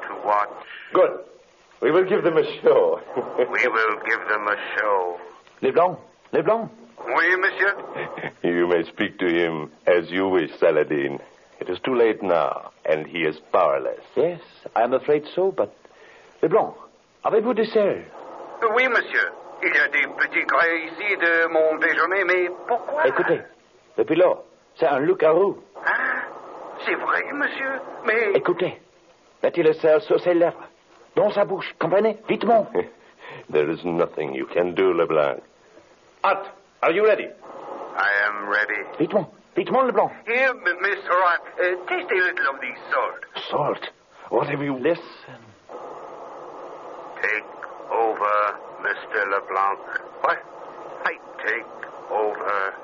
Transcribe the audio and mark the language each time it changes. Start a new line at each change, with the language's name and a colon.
English: Watch. Good. We will give them a show. We will give them a show. LeBlanc. LeBlanc.
French: Oui, monsieur.
English: You may speak to him as you wish, Saladin. It is too late now, and he is powerless. Yes, I am afraid so, but...
French: LeBlanc, avez-vous des serres? Oui, monsieur. Il y a des petits grains ici de mon déjeuner, mais pourquoi? Écoutez, le pilote, c'est un loup-garou. Ah, c'est vrai, monsieur, mais... Écoutez. Mettez le sel sur ses lèvres, dans sa bouche, comprenez? Vitement.
English: There is nothing you can do, LeBlanc. Ott, are you ready? I am ready.
French: Vitement, vitement, LeBlanc.
English: Here, Mr. Ott, taste a little of the salt. Salt? What have you... Listen. Take over, Mr. LeBlanc. What? I take over.